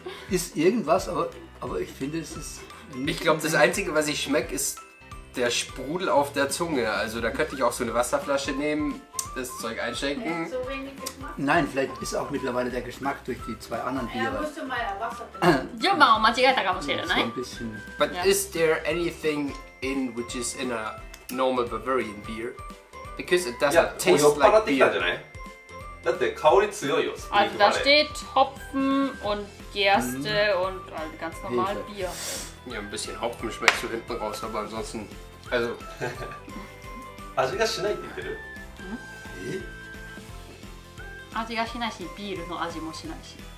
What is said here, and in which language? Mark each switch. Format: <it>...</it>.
<de>Ist irgendwas, aber ich finde es ist... Ich glaube, das Einzige, was ich schmecke, ist... Der Sprudel auf der Zunge, also da könnte ich auch so eine Wasserflasche nehmen, das Zeug einschenken. So wenig Geschmack? Nein, vielleicht ist auch mittlerweile der Geschmack durch die zwei anderen Biere. Ja, musst du mal Wasser trinken. Ja, ich habe mich vergessen.</de> <en>But is there anything in which is in a normal Bavarian beer? Because it doesn't taste like beer. Also</en> <de>da steht Hopfen und Gerste und also ganz normal Bier. Ja, ein bisschen Hopfen schmeckt so hinten raus, aber ansonsten, also...</de> <ja>Ashi ga shinai</ja> <de>bitte.</de> <ja>Ashi ga shinai shi, Bier no Ashi mo shinai shi.</ja>